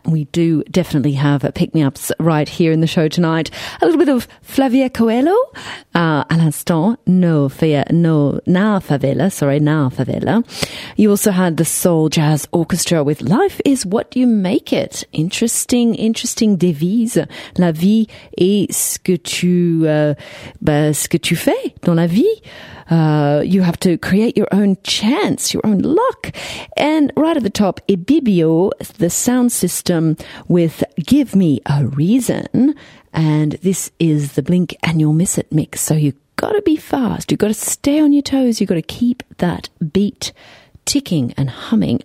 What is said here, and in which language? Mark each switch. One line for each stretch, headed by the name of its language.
English: We do definitely have pick me ups right here in the show tonight. A little bit of Flavia Coelho,
French: à l'instant,
English: Na Favela. You also had the Soul Jazz Orchestra with Life is What You Make It. Interesting, interesting devise.
French: La vie est ce que tu fais dans la vie.
English: You have to create your own chance, your own luck. And right at the top, Ibibio, the sound system with Give Me a Reason. And this is the Blink and You'll Miss It mix. So you got to be fast. You got to stay on your toes. You got to keep that beat ticking and humming.